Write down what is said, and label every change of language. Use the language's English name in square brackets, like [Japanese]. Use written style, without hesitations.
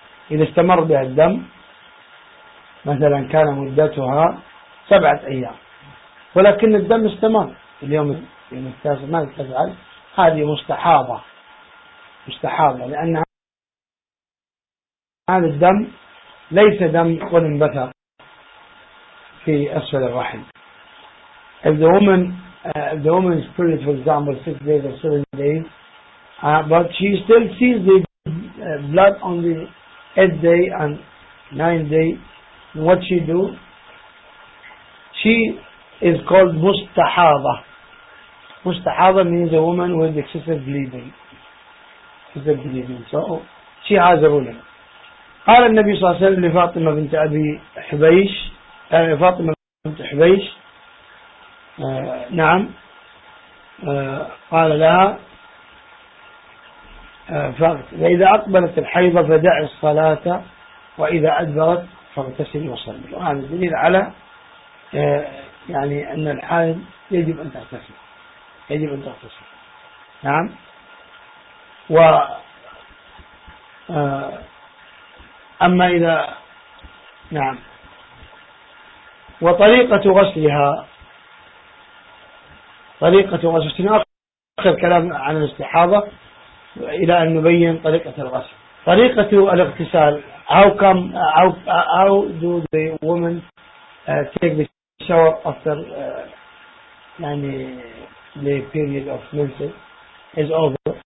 [Arabic] إذا استمر بها الدم مثلا كان مدتها سبعة أيام ولكن الدم استمر اليوم التاسع ماذا تفعل؟ هذه مستحاضة لأن هذا الدم ليس دم قد انبثق في أسفل الرحم. [English] If the woman is pregnant for example 6 days or 7 days but she still sees the blood on the 8th day and 9th day, what she do? She is called mustahada. Mustahada means a woman with excessive bleeding. So she has a ruling. [Arabic] قال النبي صلى الله عليه وسلم لفاطمة بنت أبي حبيش يعني فاطمة بنت حبيش نعم قال لها فإذا أقبلت الحيضة فدع الصلاة وإذا أدبرت فاغتسل وصلي. وهذا دليل على يعني أن الحائض يجب أن تغتسل يجب أن تغتسل نعم. و أما إذا نعم وطريقة غسلها طريقة غسل سنأخذ كلام عن الاستحاضة إلى أن نبين طريقة الغسل. طريقة الاغتسال [English] how come how do the woman take the shower after يعني the period of menses is over.